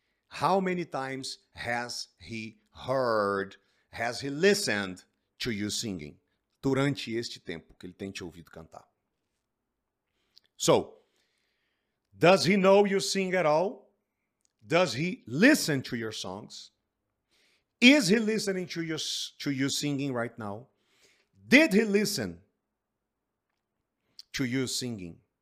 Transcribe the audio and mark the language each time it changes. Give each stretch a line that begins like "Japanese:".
English: How many times has he heard, has he listened to you singing?
Portuguese: Durante este tempo que ele tem te ouvido cantar.
English: So, does he know you sing at all? Does he listen to your songs? Is he listening to you singing right now? Did he listen to you singing?